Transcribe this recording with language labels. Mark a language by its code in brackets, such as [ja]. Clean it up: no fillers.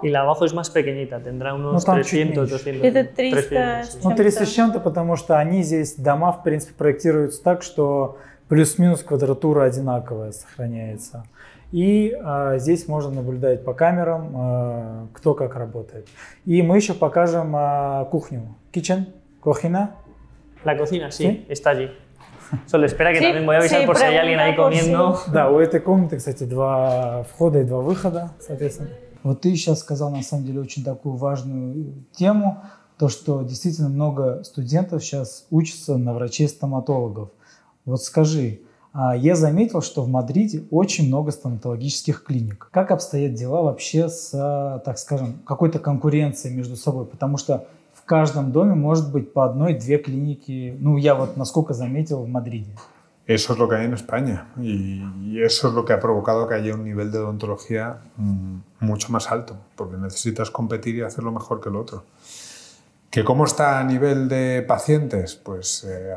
[ru] И [es] la abajo es más pequeñita, tendrá unos 300. [ru] Это 300. Ну, 300 с чем-то, потому что они здесь, дома, в принципе, проектируются так, что плюс-минус квадратура одинаковая сохраняется. И здесь можно наблюдать по камерам, кто как работает. И мы еще покажем кухню. Kitchen? Кухня? La cocina, sí, está allí. Solo espera que también voy a avisar por si hay alguien ahí comiendo. Да, у этой комнаты, кстати, два входа и два выхода, соответственно. Вот ты сейчас сказал, на самом деле, очень такую важную тему, то, что действительно много студентов сейчас учатся на врачей-стоматологов. Вот скажи, я заметил, что в Мадриде очень много стоматологических клиник. Как обстоят дела вообще с, так скажем, какой-то конкуренцией между собой? Потому что в каждом доме может быть по одной-две клиники. Ну, я вот насколько заметил в Мадриде. [es] Eso es lo que hay en España. Y eso es lo que ha provocado que haya un nivel de odontología mucho más alto. Porque necesitas competir y hacerlo mejor que el otro. ¿Que cómo está a nivel de pacientes? Pues...